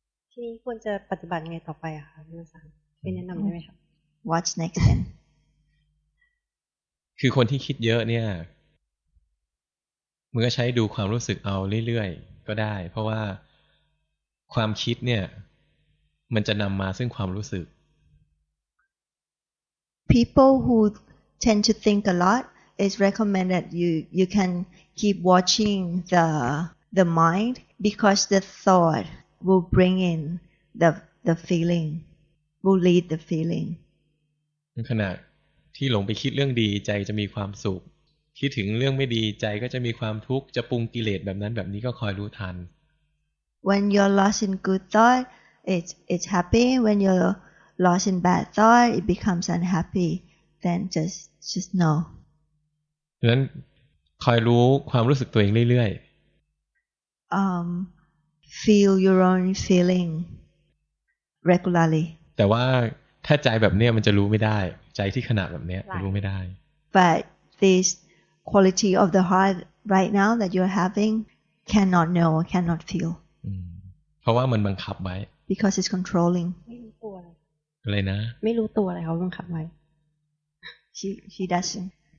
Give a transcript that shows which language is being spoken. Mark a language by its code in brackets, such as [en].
[th] ทีนี้ควรจะปฏิบัติไงต่อไปอะคะคุณสังเป็นแนะนำได้ไหมครับ [en] What's next then? [th] คือคนที่คิดเยอะเนี่ยมันก็ใช้ดูความรู้สึกเอาเรื่อยๆก็ได้เพราะว่าความคิดเนี่ยมันจะนำมาซึ่งความรู้สึก [en] People who tend to think a lot is recommended you can keep watching the mind because the thought will bring in the feeling will lead the feeling [th] ขณะที่หลงไปคิดเรื่องดีใจจะมีความสุขคิดถึงเรื่องไม่ดีใจก็จะมีความทุกข์จะปรุงกิเลสแบบนั้นแบบนี้ก็คอยรู้ทัน [en] When you're lost in good thoughtIt's happy when you're lost in bad thought. It becomes unhappy. Then just know. [th] ดังนั้นคอยรู้ความรู้สึกตัวเองเรื่อย [en] ๆ Feel your own feeling regularly. [th] แต่ว่าถ้าใจแบบเนี้ยมันจะรู้ไม่ได้ใจที่ขนาดแบบเนี้ย [en] right. [th] รู้ไม่ได้ [en] But this quality of the heart right now that you're having cannot know, cannot feel. [th] เพราะว่ามันบังคับไว้ [en] Because it's controlling. [th] อะไรนะ ไม่รู้ตัวอะไรเขาบังคับไว้ [en] She doesn't.